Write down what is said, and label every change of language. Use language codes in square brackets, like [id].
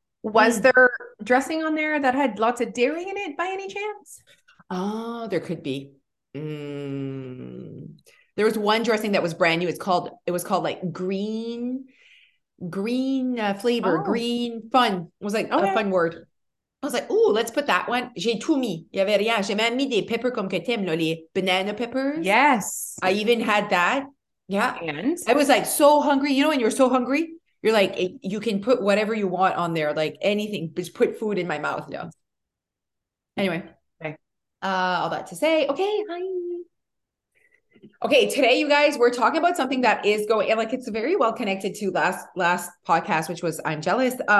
[en] Was there dressing on there that had lots of dairy in it by any chance? Oh, there could be. There was one dressing that was brand new. It was called like green flavor, Oh, green fun. It was like a okay. fun word. I was like, ooh, let's put that one. [fr] J'ai tout mis. Il y avait rien. J'ai même mis des peppers comme que t'aimes, là, les [en] banana peppers. Yes. I even had that. Yeah. And I was like so hungry. You know, when you're so hungry, you're like, you can put whatever you want on there, like anything, just put food in my mouth. Yeah. Anyway, all that to say, okay, hi. Okay, today, you guys, we're talking about something that is going, and like it's very well connected to last podcast, which was I'm jealous.